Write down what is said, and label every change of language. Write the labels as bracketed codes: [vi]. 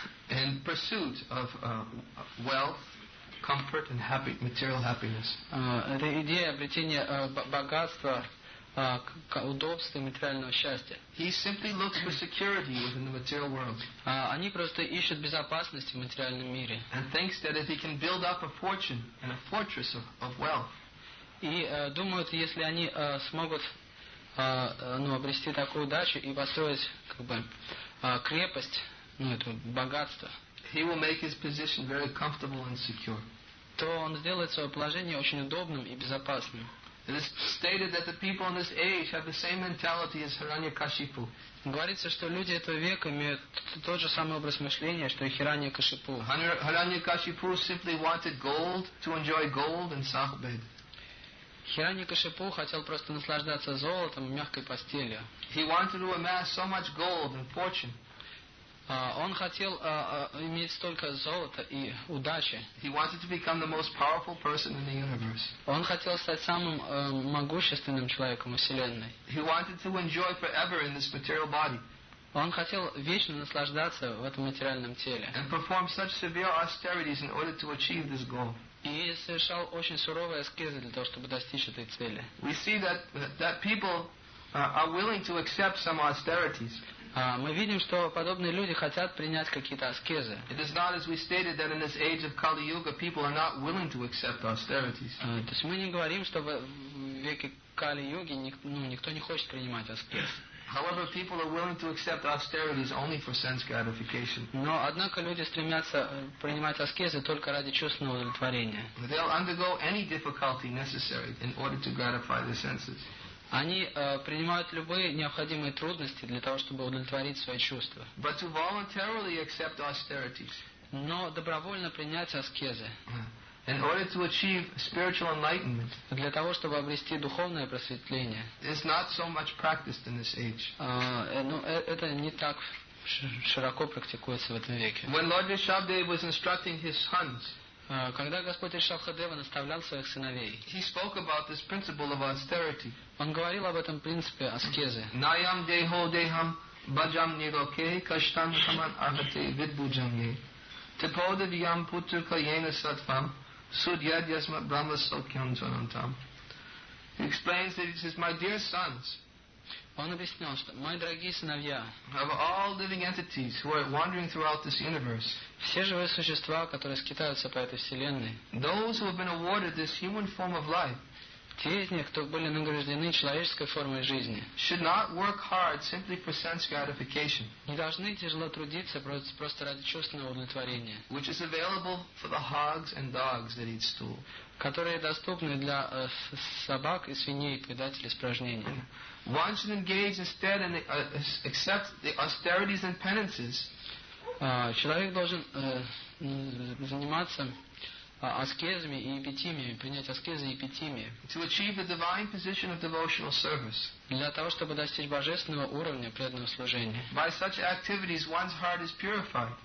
[en] And pursuit of wealth, comfort, and happy material happiness. [ru] Это идея обретения богатства, удобства и материального счастья. [en] He simply looks for security within the material world. [ru] Они просто ищут безопасности в материальном мире. [en] And thinks that if he can build up a fortune and a fortress of wealth. [ru] И думают, если они смогут обрести такую удачу и построить как бы крепость. Ну, это богатство. [en] He will make his position very comfortable and secure. [ru] То он сделает свое положение очень удобным и безопасным. [en] It is stated that the people in this age have the same mentality as Hiranyakashipu. [ru] Говорится, что люди этого века имеют тот же самый образ мышления, что и Хираньякашипу. [en] Hiranyakashipu simply wanted gold to enjoy gold and sahabed. [ru] Хираньякашипу хотел просто наслаждаться золотом и мягкой постелью. [en] He wanted to amass so much gold and fortune. [ru] Он хотел иметь столько золота и удачи. [en] He wanted to become the most powerful person in the universe. [ru] Он хотел стать самым могущественным человеком во Вселенной. [en] He wanted to enjoy forever in this material body. [ru] Он хотел вечно наслаждаться в этом материальном теле. [en] And perform such severe austerities in order to achieve this goal. [ru] И совершал очень суровые аскезы для того, чтобы достичь этой цели. [en] We see that people are willing to accept some austerities. [ru] Мы видим, что подобные люди хотят принять какие-то аскезы. [en] It is not as we stated that in this age of Kali Yuga people are not willing to accept austerities. [ru] То есть мы не говорим, что в веке Кали Юги никто не хочет принимать аскез. [en] However, people are willing to accept austerities only for sense gratification. [ru] Но однако люди стремятся принимать аскезы только ради чувственного удовлетворения. [en] They'll undergo any difficulty necessary in order to gratify the senses. [ru] Они принимают любые необходимые трудности для того, чтобы удовлетворить свои чувства. [en] But to voluntarily accept austerities. [ru] Но добровольно принять аскезы. [en] In order to achieve spiritual enlightenment. [ru] Для того, чтобы обрести духовное просветление. [en] Is not so much practiced in this age. [ru] Это не так широко практикуется в этом веке. [en] When Lord Rishabhdev was instructing his sons. [ru] Когда Господь Ришабхадева наставлял своих сыновей, [en] he spoke about this principle of austerity. [ru] Он говорил об этом принципе аскезы. [sa] Nayam deho deham bhajam niroke kashtam saman ahate vidbujam ye. Tipo deviyam putur kayena sattvam sudyad yasma brahma sokyam janantam. [en] He explains that he says, my dear sons, [ru] он объяснял, что мои дорогие сыновья, [en] of all living entities who are wandering throughout this universe, [ru] все живые существа, которые скитаются по этой вселенной, [en] those who have been awarded this human form of life, [ru] те из них, кто были награждены человеческой формой жизни, [en] should not work hard simply for sense gratification, [ru] не должны тяжело трудиться просто ради чувственного удовлетворения, [en] which is available for the hogs and dogs that eat stool, [ru] которые доступны для собак и свиней, поедателей испражнений. [en] One should engage instead in accept the austerities and penances. [ru] Человек должен заниматься аскезами и эпитимиями, принять аскезы и эпитимии. [en] To achieve the divine position of devotional service. [ru] Для того, чтобы достичь божественного уровня преданного служения. [en] By such activities, one's heart is purified.